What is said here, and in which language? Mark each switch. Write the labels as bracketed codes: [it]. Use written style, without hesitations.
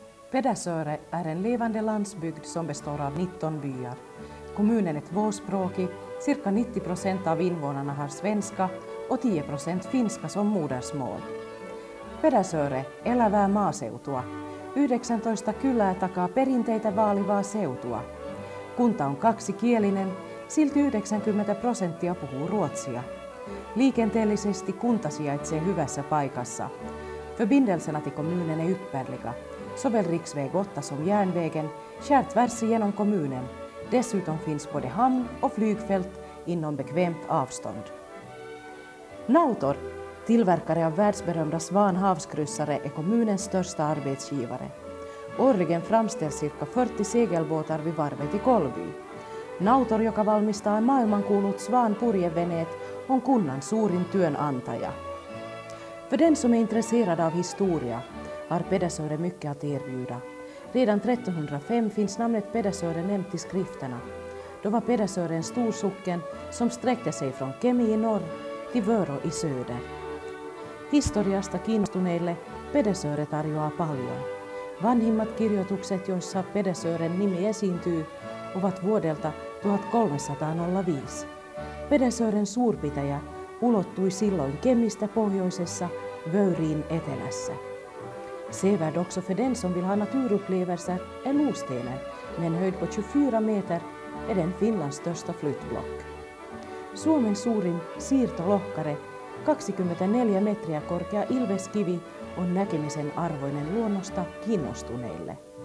[sv] Pedersöre är en levande landsbygd som består av 19 byar. Kommunen är tvåspråkig, cirka 90% av invånarna har svenska och 10% finska som modersmål. [fi] Pedersöre elävää maaseutua. 19 kylää takaa perinteitä vaalivaa seutua. Kunta on kaksikielinen, silti 90% puhuu ruotsia. Liikenteellisesti kunta sijaitsee hyvässä paikassa. [sv] Förbindelserna till kommunen är ypperliga. Såväl Riksväg 8 som järnvägen skär tvärs igenom kommunen. Dessutom finns både hamn och flygfält inom bekvämt avstånd. Nautor, tillverkare av världsberömda svanhavskryssare, är kommunens största arbetsgivare. Årligen framställs cirka 40 segelbåtar vid varvet i Kolby. [fi] Nautor, joka valmistaa maailmankuulut svanpurjeveneet, on kunnan suurin työnantaja. [sv] För den som är intresserad av historia har Pedersöre mycket att erbjuda. Redan 1305 finns namnet Pedersöre nämnt i skrifterna. Då var Pedersöre en stor socken som sträckte sig från Kemi i norr till Vörå i söder. [fi] Historiasta kiinnostuneille Pedersöre tarjoaa paljon. Vanhimmat kirjoitukset, joissa Pedersören nimi esiintyy, ovat vuodelta 1305. Pedersören suurpitäjä ulottui silloin Kemistä pohjoisessa Vöyriin etelässä. [sv] Sevärd också för den som vill ha naturupplevelser är Lostenen, med en höjd på 24 meter är den Finlands största flyttblock. [fi] Suomen suurin siirtolohkare, 24 metriä korkea ilveskivi, on näkemisen arvoinen luonnosta kiinnostuneille.